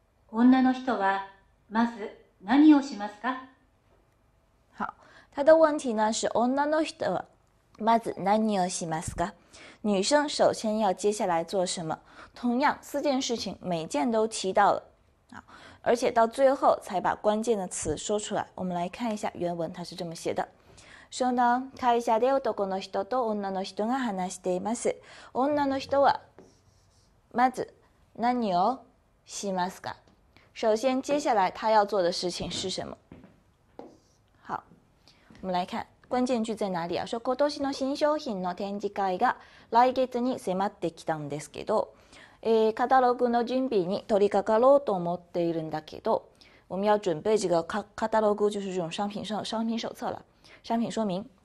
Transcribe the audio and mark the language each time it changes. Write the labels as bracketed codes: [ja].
[ja] 女の人はまず何をしますか？好、 [zh] 他的问题呢是 [ja] 女の人はまず何をしますか？ [zh] 女生首先要接下来做什么？同样，四件事情每件都提到了，啊，而且到最后才把关键的词说出来。我们来看一下原文，它是这么写的： [ja] 说呢，会社で男の人と女の人が話しています。女の人はまず何をしますか？ [zh] 首先接下来他要做的事情是什么？好，我们来看关键句在哪里啊？ [ja] 说今年の新商品の展示会が来月に迫ってきたんですけど、カタログの準備に取り掛かろうと思っているんだけど， [zh] 我们要准备这个カタログ，就是这种商品手册了，商品说明。